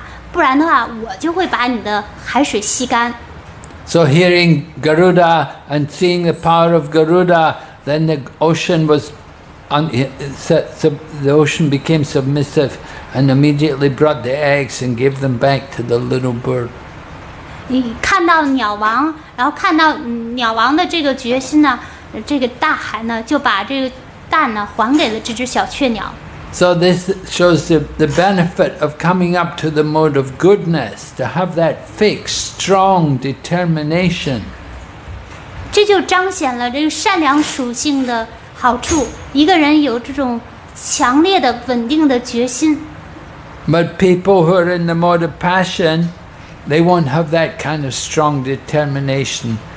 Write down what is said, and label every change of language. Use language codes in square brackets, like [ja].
[zh] 鸟王Garuda呢就对这个海洋的国王说道，你把这只雀鸟的蛋还给他，不然的话我就会把你的海水吸干。 [en] So hearing Garuda and seeing the power of Garuda, then the ocean became submissive and immediately brought the eggs and gave them back to the little bird. [zh] 看到鸟王，然后看到鸟王的这个决心呢，这个大海呢，就把这个蛋呢还给了这只小雀鸟。 [en] So this shows the benefit of coming up to the mode of goodness, to have that fixed, strong determination. [zh] 这就彰显了这个善良属性的好处，一个人有这种强烈的、稳定的决心。 [en] But people who are in the mode of passion, they won't have that kind of strong determination.